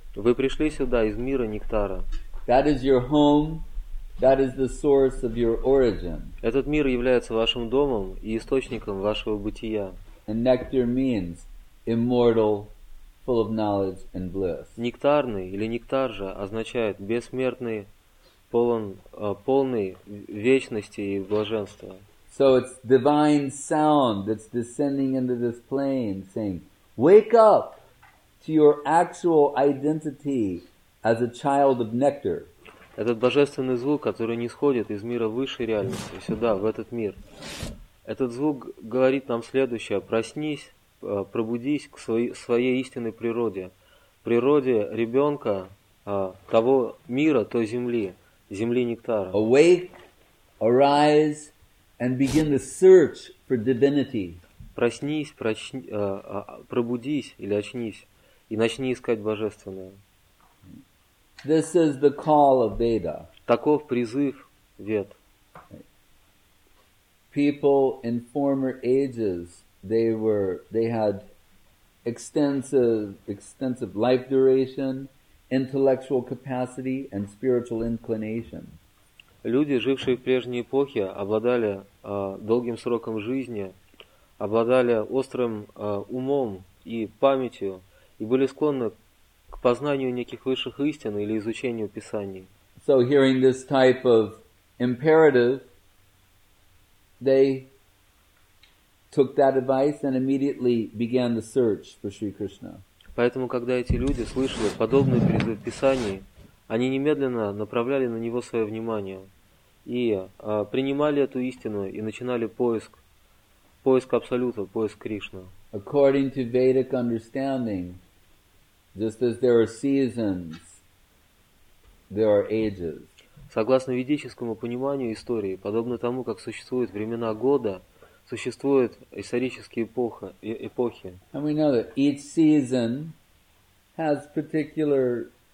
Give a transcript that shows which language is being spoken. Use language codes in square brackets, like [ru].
[ru] Вы пришли сюда из мира нектара. [en] That is your home. That is the source of your origin. [ru] Этот мир является вашим домом и источником вашего бытия. [en] And nectar means immortal. Full of knowledge and bliss. [ru] Нектарный или нектар же означает бессмертный, полный вечности и блаженства. [en] So it's divine sound that's descending into this plane, saying, "Wake up to your actual identity as a child of nectar." [ru] Этот божественный звук, который нисходит из мира высшей реальности сюда, в этот мир, этот звук говорит нам следующее: проснись. Пробудись к своей истинной природе, природе ребенка того мира, той земли, земли нектара. [en] Awake, arise, and begin the search for divinity. [ru] Проснись, пробудись или очнись и начни искать божественное. [en] This is the call of Veda. [ru] Таков призыв Вед. [en] People in former ages. They had extensive life duration, intellectual capacity, and spiritual inclination. [ru] Люди, жившие в прежние эпохи, обладали долгим сроком жизни, обладали острым умом и памятью, и были склонны к познанию неких высших истин или изучению Писаний. [en] So, hearing this type of imperative, they took that advice and immediately began the search for Sri Krishna. [ru] Поэтому, когда эти люди слышали подобный призыв в Писании, они немедленно направляли на него свое внимание и принимали эту истину и начинали поиск Абсолюта, поиск Кришны. [en] According to Vedic understanding, just as there are seasons, there are ages. [ru] Согласно ведическому пониманию истории, подобно тому, как существуют времена года, существует исторические эпохи. [en] And we know that each season has particular